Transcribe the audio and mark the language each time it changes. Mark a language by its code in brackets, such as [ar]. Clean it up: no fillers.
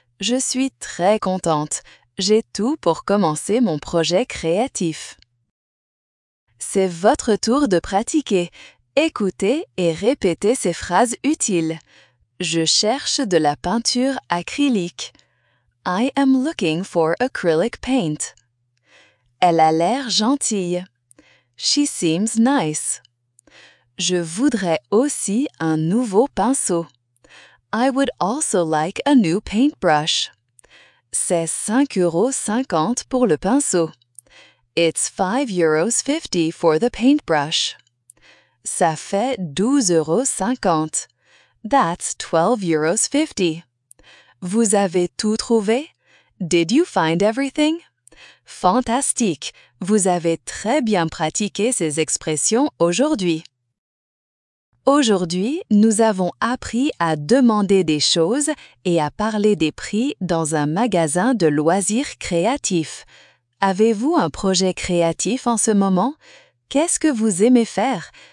[fr] Je suis très contente. J'ai tout pour commencer mon projet créatif. C'est votre tour de pratiquer. Écoutez et répétez ces phrases utiles. Je cherche de la peinture acrylique. [en] I am looking for acrylic paint. [fr] Elle a l'air gentille. [en] She seems nice. [fr] Je voudrais aussi un nouveau pinceau. [en] I would also like a new paintbrush. [fr] C'est 5,50 € pour le pinceau. [en] It's 5,50 € for the paintbrush. [fr] Ça fait 12,50 €. [en] That's 12,50 €. [fr] Vous avez tout trouvé? [en] Did you find everything? [fr] Fantastique! Vous avez très bien pratiqué ces expressions aujourd'hui. Aujourd'hui, nous avons appris à demander des choses et à parler des prix dans un magasin de loisirs créatifs. Avez-vous un projet créatif en ce moment? Qu'est-ce que vous aimez faire?